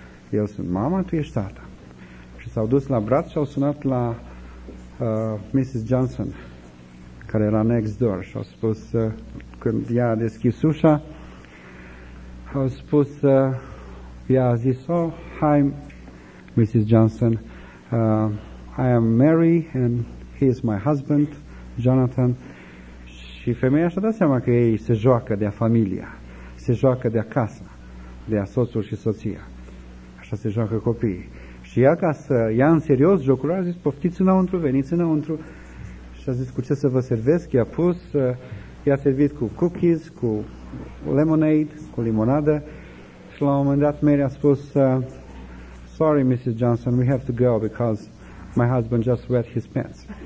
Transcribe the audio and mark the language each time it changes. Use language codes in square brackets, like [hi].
[ro] El sunt mama, tu ești tata. Și s-au dus la braț și au sunat la Mrs. Johnson, care era next door, și au spus, când ea a deschis ușa, au spus, ea a zis: [en] oh, hi, Mrs. Johnson, I am Mary, and he is my husband, Jonathan. [ro] Și femeia și-a dat seama că ei se joacă de-a familia, se joacă de-a casa, de-a soțul și soția. Așa se joacă copiii. Și ea, ca să ia în serios jocul, a zis: poftiți înăuntru, veniți înăuntru. Și a zis: cu ce să vă servesc? I-a pus, fie servit cu cookies, cu lemonade, cu limonadă. Și la un moment dat Mary a spus, [en] sorry, Mrs. Johnson, we have to go because my husband just wet his pants.